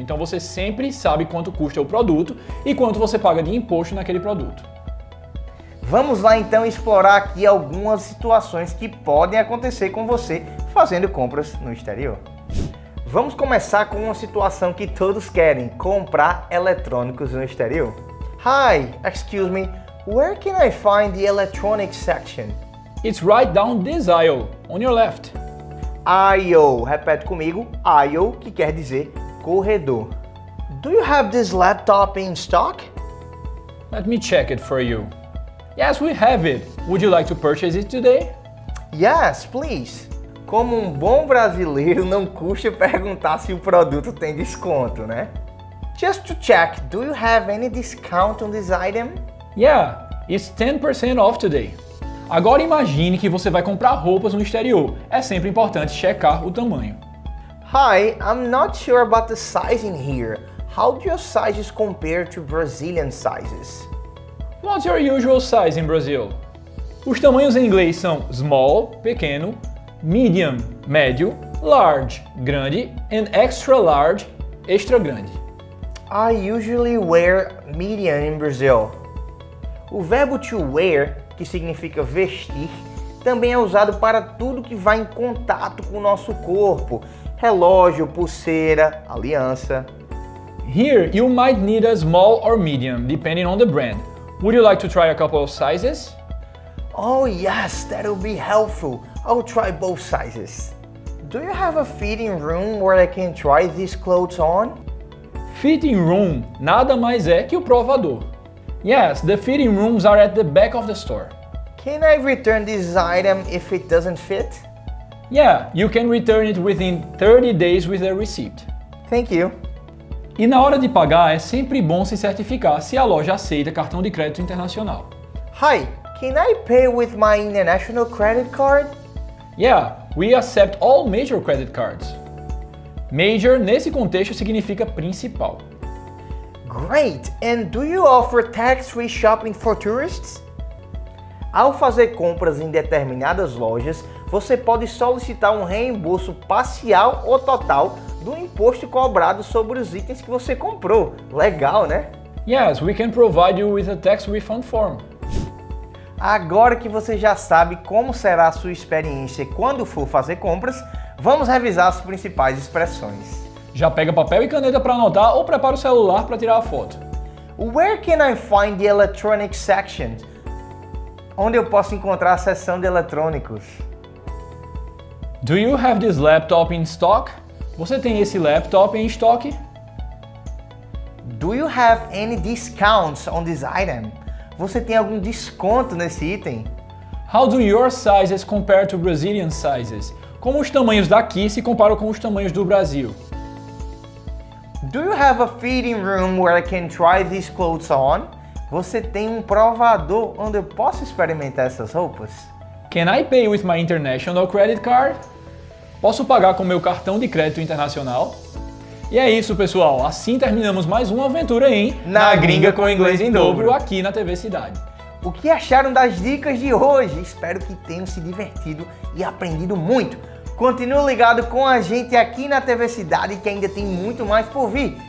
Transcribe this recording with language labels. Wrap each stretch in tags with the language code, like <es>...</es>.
<pt>Então você sempre sabe quanto custa o produto e quanto você paga de imposto naquele produto. Vamos lá então explorar aqui algumas situações que podem acontecer com você fazendo compras no exterior. Vamos começar com uma situação que todos querem, comprar eletrônicos no exterior.</pt> <en>Hi, excuse me, where can I find the electronics section? It's right down this aisle, on your left.</en> <pt>Aisle, repete comigo, aisle, que quer dizer corredor.</pt> <en>Do you have this laptop in stock? Let me check it for you. Yes, we have it. Would you like to purchase it today? Yes, please.</en> <pt>Como um bom brasileiro, não custa perguntar se o produto tem desconto, né?</pt> <en>Just to check, do you have any discount on this item? Yeah, it's 10% off today.</en> <pt>Agora imagine que você vai comprar roupas no exterior. É sempre importante checar o tamanho.</pt> <en>Hi, I'm not sure about the sizing here. How do your sizes compare to Brazilian sizes? What's your usual size in Brazil?</en> <pt>Os tamanhos em inglês são small, pequeno, medium, médio, large, grande, and extra large, extra grande.</pt> <en>I usually wear medium in Brazil.</en> <pt>O verbo to wear, que significa vestir, também é usado para tudo que vai em contato com o nosso corpo. Relógio, pulseira, aliança.</pt> <en>Here, you might need a small or medium, depending on the brand. Would you like to try a couple of sizes? Oh yes, that would be helpful. I'll try both sizes. Do you have a fitting room where I can try these clothes on?</en> <pt>Fitting room nada mais é que o provador.</pt> <en>Yes, the fitting rooms are at the back of the store. Can I return this item if it doesn't fit? Yeah, you can return it within 30 days with a receipt. Thank you.</en> <pt>E na hora de pagar, é sempre bom se certificar se a loja aceita cartão de crédito internacional.</pt> <en>Hi, can I pay with my international credit card? Yeah, we accept all major credit cards.</en> <pt>Major, nesse contexto, significa principal.</pt> <en>Great! And do you offer tax-free shopping for tourists?</en> <pt>Ao fazer compras em determinadas lojas, você pode solicitar um reembolso parcial ou total do imposto cobrado sobre os itens que você comprou. Legal, né?</pt> <en>Yes, we can provide you with a tax refund form.</en> <pt>Agora que você já sabe como será a sua experiência quando for fazer compras, vamos revisar as principais expressões. Já pega papel e caneta para anotar ou prepara o celular para tirar a foto.</pt> <en>Where can I find the electronic section?</en> <pt>Onde eu posso encontrar a seção de eletrônicos?</pt> <en>Do you have this laptop in stock?</en> <pt>Você tem esse laptop em estoque?</pt> <en>Do you have any discounts on this item?</en> <pt>Você tem algum desconto nesse item?</pt> <en>How do your sizes compare to Brazilian sizes?</en> <pt>Como os tamanhos daqui se comparam com os tamanhos do Brasil?</pt> <en>Do you have a fitting room where I can try these clothes on?</en> <pt>Você tem um provador onde eu posso experimentar essas roupas?</pt> <en>Can I pay with my international credit card?</en> <pt>Posso pagar com meu cartão de crédito internacional? E é isso, pessoal. Assim terminamos mais uma aventura em Na Gringa com o Inglês em Dobro, aqui na TV Cidade. O que acharam das dicas de hoje? Espero que tenham se divertido e aprendido muito. Continue ligado com a gente aqui na TV Cidade, que ainda tem muito mais por vir.</pt>